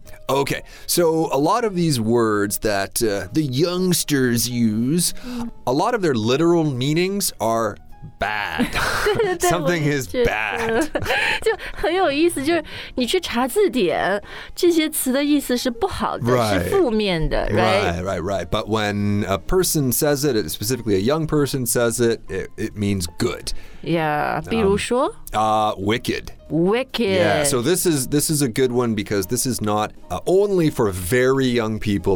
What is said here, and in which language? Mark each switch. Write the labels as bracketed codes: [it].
[en] Okay, so a lot of these words that、the youngsters use, a lot of their literal meanings are bad. Something is bad. [zh] 就很有意思，就是你去查字典，这些词的意思是不好的， [en] right. [zh] 是负面的 right? [en] Right, right, right. But when a person says it, specifically a young person says it, it means good. [zh] Yeah, 比如说 [en] Wicked. Wicked. Yeah, so this is a good one because this is not only for very young people.